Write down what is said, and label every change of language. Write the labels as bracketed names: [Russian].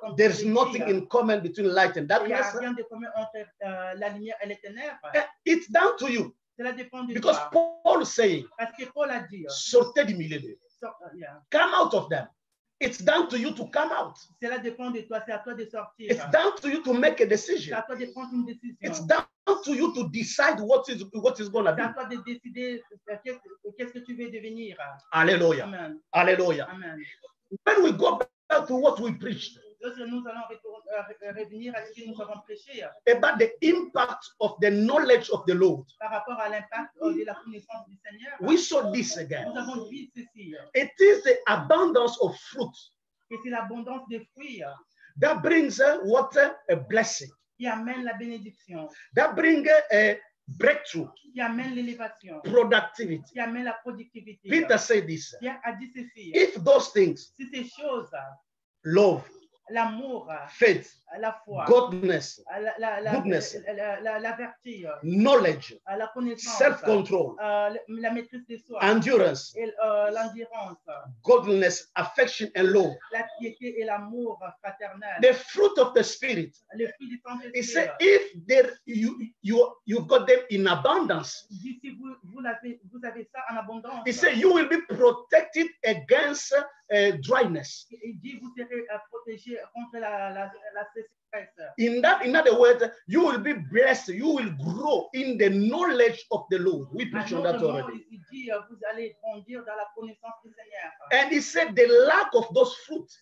[English] there is nothing in common between light and darkness. [French] Il n'y a rien de commun entre la lumière et les ténèbres. [English] It's down to you. [French] Cela dépend de [English] because toi. Paul saying, [French] parce que Paul a dit, sortez du milieu d'eux. [English] Come out of them. It's down to you to come out. [French] Cela dépend de toi. C'est à toi de sortir. [English] It's down to you to make a decision. [French] C'est à toi de prendre une décision. [English] It's down to you to decide what is going to be. [French] C'est à toi de décider qu'est-ce que tu veux devenir. Alléluia. Amen. Alléluia. Amen. [English] When we go back to what we preached. [French] Nous allons revenir à ce que nous avons prêché. [English] About the impact of the knowledge of the Lord. [French] Par rapport à l'impact de la connaissance du Seigneur. [English] We saw this again. [French] Nous avons vu ceci. [English] It is the abundance of fruit. [French] Et c'est l'abondance de fruits. [English] That brings what a blessing. [French] Qui amène la bénédiction. [English] That brings a breakthrough. [French] Qui amène l'élévation. [English] Productivity. [French] Qui amène la productivité. [English] Peter said this. [French] Qui a dit ceci. [English] If those things. [French] Si ces choses. [English] Love. [French] L'amour, [English] faith, [French] la foi, [English] godness, [French] la [English] goodness, [French] la vertu, [English] knowledge, [French] la connaissance, [English] self-control, [French] la maîtrise de soi, [English] endurance, [French] l'endurance, [English] godliness, affection and love, [French] la piété et l'amour fraternel, [English] the fruit of the spirit. [French] Le fruit du Saint-Esprit. [English] He said, if there you've got them in abundance, [French] si vous avez ça en abondance, [English] he said, you will be protected against dryness. [French] Il dit, vous serez protégé contre la sécheresse. [English] In other words, you will be blessed. You will grow in the knowledge of the Lord. We preach on that already. [French] Il dit, vous allez grandir dans la connaissance du Seigneur. [English] And he said, the lack of those fruits.